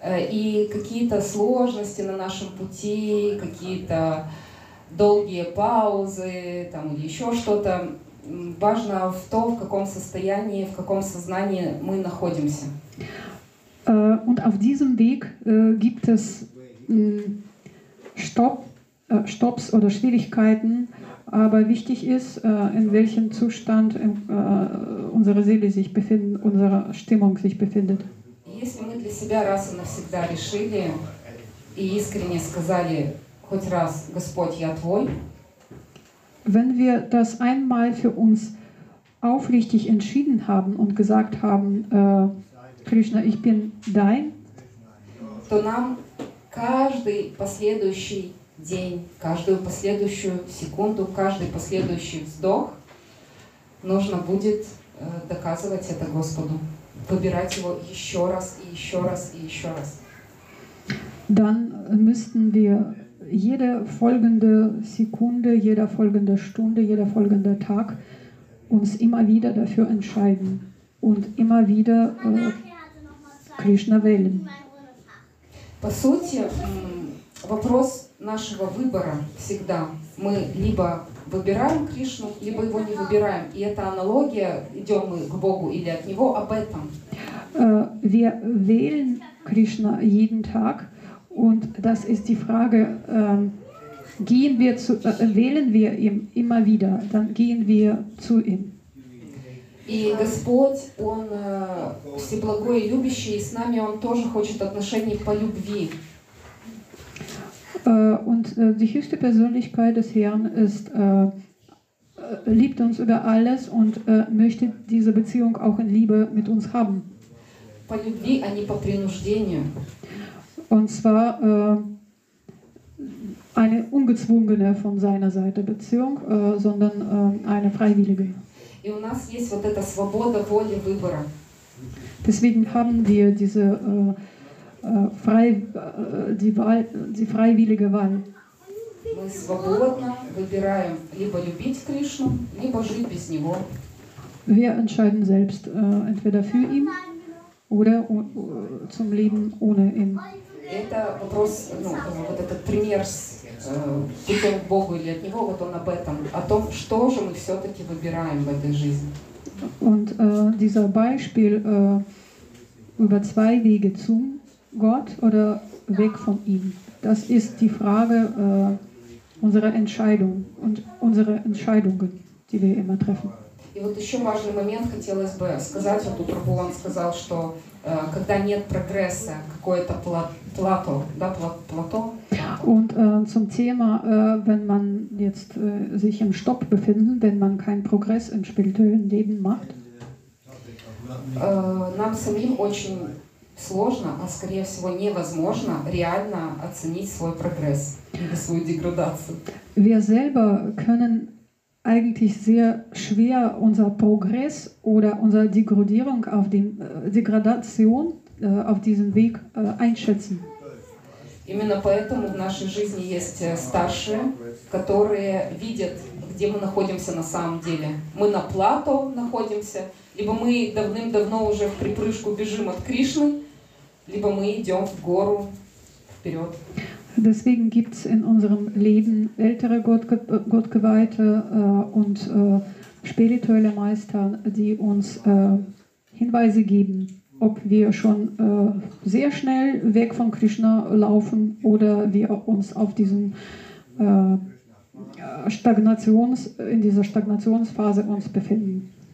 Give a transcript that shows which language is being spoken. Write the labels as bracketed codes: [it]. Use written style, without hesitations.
[ru] И какие-то сложности на нашем пути, какие-то долгие паузы, там, или еще что-то. Важно в том, в каком состоянии, в каком сознании мы находимся. [de] Und auf diesem Weg gibt es Stops oder Schwierigkeiten, aber wichtig ist, in welchem Zustand unsere Seele sich befindet, unsere Stimmung sich befindet. [ru] Если мы для себя раз и навсегда решили и искренне сказали хоть раз, Господь, я твой. [de] Wenn wir das einmal für uns aufrichtig entschieden haben und gesagt haben, Krishna, ich bin dein, [ru] то нам каждый последующий день, каждую последующую секунду, каждый последующий вздох нужно будет доказывать это Господу, выбирать его еще раз и еще раз и еще раз. [de] Dann müssten wir jede folgende Sekunde, jede folgende Stunde, jeder folgende Tag uns immer wieder dafür entscheiden und immer wieder Krishna wählen. [ru] По сути, вопрос нашего выбора всегда. Мы либо выбираем Кришну, либо его не выбираем. И эта аналогия, идем мы к Богу или от Него, об этом. [de] Wir wählen Krishna jeden Tag. Und das ist die Frage, gehen wir zu, wählen wir ihn immer wieder, dann gehen wir zu ihm. [ru] И Господь, Он всеблагой и любящий, и с нами Он тоже хочет отношений по любви. [de] Und die höchste Persönlichkeit des Herrn ist, liebt uns über alles und möchte diese Beziehung auch in Liebe mit uns haben. [ru] По любви, а не по принуждению. [de] Und zwar eine ungezwungene von seiner Seite Beziehung, sondern eine freiwillige. [ru] И у нас есть вот эта свобода воли выбора. [de] Deswegen haben wir diese frei, die Wahl, die freiwillige Wahl. [ru] Мы свободно выбираем либо любить Кришну, либо жить без него. [de] Wir entscheiden selbst entweder für ihn oder zum Leben ohne ihn. [ru] Это вопрос, ну, вот этот пример с путем к Богу или от него, вот он об этом, о том, что же мы все-таки выбираем в этой жизни. [de] Und dieser Beispiel über zwei Wege zum Gott oder weg von ihm. Das ist die Frage unserer Entscheidung und unsere Entscheidungen, die wir immer treffen. [ru] И вот еще важный момент хотелось бы сказать. Вот Прабхупад сказал, что когда нет прогресса, какое-то плато, да, плато. [de] Und zum Thema, wenn man jetzt sich im Stopp befindet, wenn man keinen Progress im spirituellen Leben macht. [ru] Нам самим очень сложно, а скорее всего невозможно реально оценить свой прогресс или свою деградацию. [de] Wir selber können eigentlich sehr schwer unser Progress oder unsere Degradierung auf dem Degradation auf diesem Weg einschätzen. [ru] Именно поэтому в нашей жизни есть старшие, которые видят, где мы находимся на самом деле. Мы на плато находимся, либо мы давным-давно уже в припрыжку бежим от Кришны. Либо мы идем в гору вперед. [de] Deswegen gibt es in unserem Leben ältere Gottgeweihte und spirituelle Meister, die uns Hinweise geben, ob wir schon sehr schnell weg von Krishna laufen oder wir uns auf diesem in dieser Stagnationsphase uns befinden.